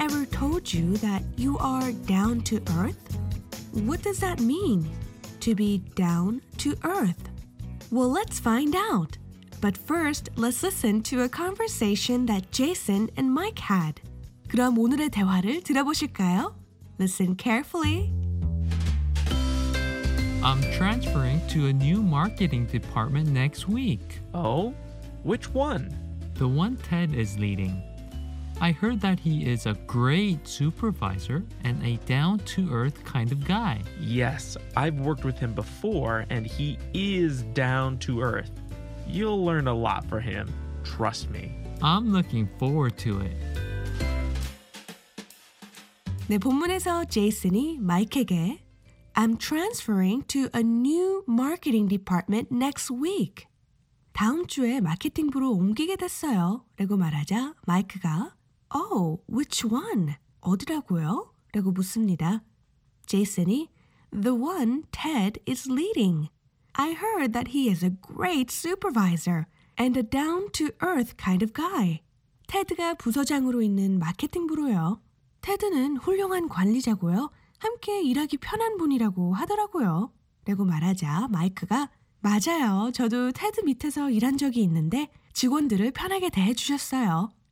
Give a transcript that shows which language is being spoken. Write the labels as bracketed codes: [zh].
[en] 'Told you that you are down to earth? What does that mean, to be down to earth? Well, let's find out. But first, let's listen to a conversation that Jason and Mike had. [ko] 그럼 오늘의 대화를 들어보실까요? [en] Listen carefully. I'm transferring to a new marketing department next week. Oh? Which one? The one Ted is leading. I heard that he is a great supervisor and a down-to-earth kind of guy. Yes, I've worked with him before, and he is down-to-earth. You'll learn a lot from him. Trust me. I'm looking forward to it. [ko] 네, 본문에서 제이슨이 마이크에게 [en] I'm transferring to a new marketing department next week. [ko] 다음 주에 마케팅부로 옮기게 됐어요. 라고 말하자 마이크가 [en] Oh, which one? [ko] 어디라고요? 라고 묻습니다. [en] 제이슨이 The one Ted is leading. I heard that he is a great supervisor and a down-to-earth kind of guy. [ko] 테드가 부서장으로 있는 마케팅부로요. 테드는 훌륭한 관리자고요. 함께 일하기 편한 분이라고 하더라고요. 라고 말하자 마이크가 맞아요. 저도 테드 밑에서 일한 적이 있는데 직원들을 편하게 대해주셨어요.